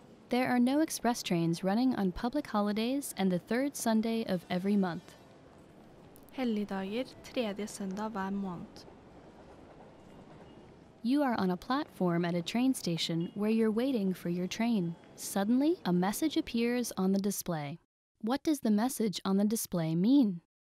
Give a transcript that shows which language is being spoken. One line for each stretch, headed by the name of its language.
English: There are no express trains running on public holidays and the third Sunday of every month.
Norwegian: Helligdager, tredje søndag hver måned.
English: You are on a platform at a train station where you're waiting for your train. Suddenly, a message appears on the display. What does the message on the display mean?